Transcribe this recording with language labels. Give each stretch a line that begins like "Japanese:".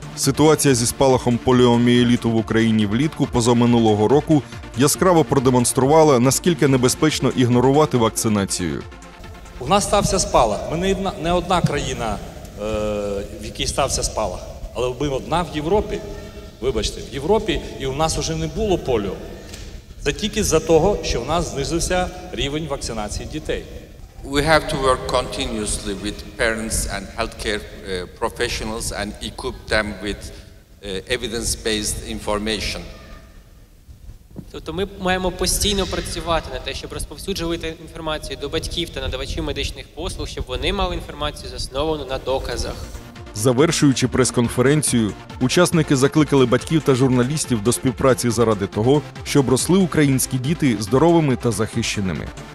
Ukrainian: Ситуація зі спалахом поліоміеліту в Україні влітку позаминулого року яскраво продемонструвала, наскільки небезпечно ігнорувати вакцинацію. У нас стався спалах. Ми не одна країна, в якій стався спалах, але ми одна в Європі, вибачте, в Європі, і у нас вже не було поліо. Це тільки за того, що в нас знизився рівень вакцинації дітей.
English: We have to work continuously with parents and healthcare professionals and equip them with evidence-based information.
Ukrainian: Тобто ми маємо постійно працювати на те, щоб розповсюджувати інформацію до батьків та надавачів медичних послуг, щоб вони мали інформацію засновану на доказах. Завершуючи прес-конференцію, учасники закликали батьків та журналістів до співпраці заради того, щоб росли українські діти здоровими та захищеними.